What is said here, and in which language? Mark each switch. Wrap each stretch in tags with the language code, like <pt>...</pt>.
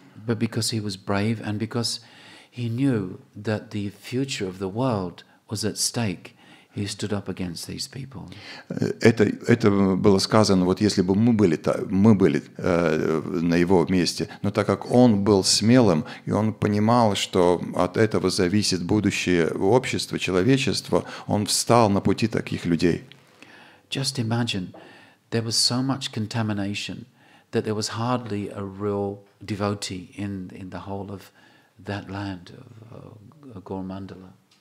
<en>But because he was brave and because he knew that the future of the world was at stake, he stood up against these people.</en> <ru>Это было сказано, вот если бы мы были на его месте, но так как он был смелым, и он понимал, что от этого зависит будущее общества, человечества, он встал на пути таких людей.</ru> <en>Just imagine, there was so much contamination that there was hardly a real devotee in the whole of that land, of Gaurmandala.</en>